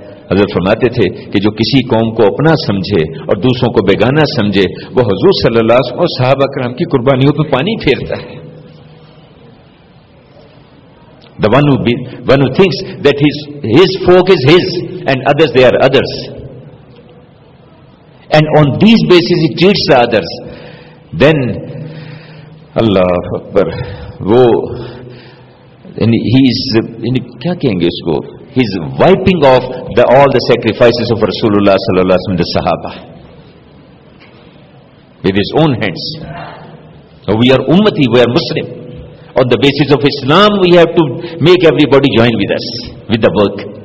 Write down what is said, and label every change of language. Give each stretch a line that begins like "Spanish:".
Urdu: حضرت فرماتے تھے کہ جو کسی قوم کو اپنا سمجھے اور دوسروں کو بیگانہ سمجھے وہ حضور صلی اللہ علیہ وسلم اور صحابہ کرام کی قربانیوں پہ پانی پھیرتا ہے.
English: The one who thinks that his folk is his and others they are others. And on these basis he treats the others.
Urdu: Then اللہ اکبر وہ کیا کہیں گے اس کو.
English: He's wiping off all the sacrifices of Rasulullah sallallahu alaihi wasallam, the Sahaba, with his own hands. So we are Ummati, we are Muslim. On the basis of Islam, we have to make everybody join with us, with the work.